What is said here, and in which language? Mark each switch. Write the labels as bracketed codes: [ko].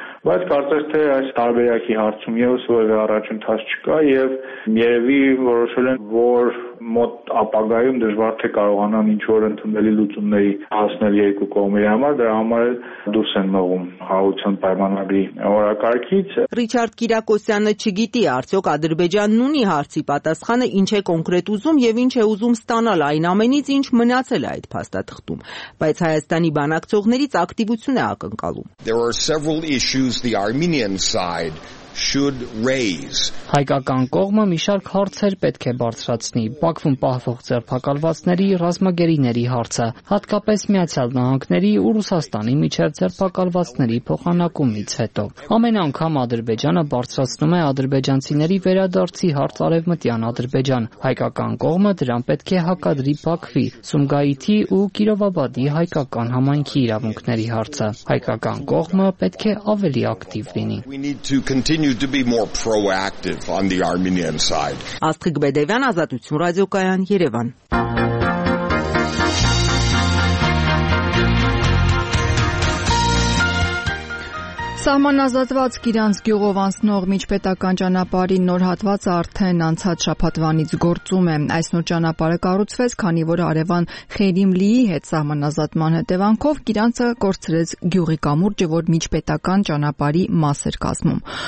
[hy] բայց կարծես թե այս տարբերակի հարցում եւս որևէ առաջընթաց չկա, եւ երևի որոշել են, որ մոտ ապագայում դժվար թե կարողանան ինչ-որ ընդունելի լուծումների հասնել երկու կողմերի համար, դրա համար էլ դուրս են մղում խաղաղության պայմանագրի օրակարգից։ Ռիչարդ Կիրակոսյանը չգիտի, արդյոք Ադրբեջանն ունի հարցի պատասխանը, ինչ է կոնկրետ ուզում եւ ինչ է ուզում ստանալ այն ամենից, ինչ մնացել է այդ փաստաթղթում, բայց Հայաստանի բանակցողներից ակտիվություն է ակնկալում։ [en] There are several issues the Armenian side should raise. [hy] Հայկական կողմը մի շարք հարցեր պետք է բարձրացնի. Բաքվում պահվող ձերբակալվածների, ռազմագերիների հարցը, հատկապես Միացյալ Նահանգների ու Ռուսաստանի միջև ձերբակալվածների փոխանակումից հետո։ Ամեն անգամ Ադրբեջանը բարձրացնում է ադրբեջանցիների վերադարձի հարց արևմտյան Ադրբեջան։ Հայկական կողմը դրան պետք է հակադրի Բաքվի, Սումգայիթի ու Կիրովաբադի հայկական համայնքի իրավունքների հարցը։ Հայկական կողմը պետք է ավելի ակտիվ լինի։ [en] Continue to be more proactive on the Armenian side. [hy] Աստղիկ Բեդևյան, Ազատություն ռադիոկայան, Երևան։ Սահմանազատված Կիրանց գյուղով անցնող միջպետական ճանապարհի նոր հատվածը արդեն անցած շաբաթվանից գործում է։ Այս նոր ճանապարհը կառուցվեց, քանի որ Արևան Խերիմլիի հետ սահմանազատման հետևանքով Կիրանցը կորցրեց գյուղի կամուրջը, որ միջպետական ճանապարհի մաս էր կազմում։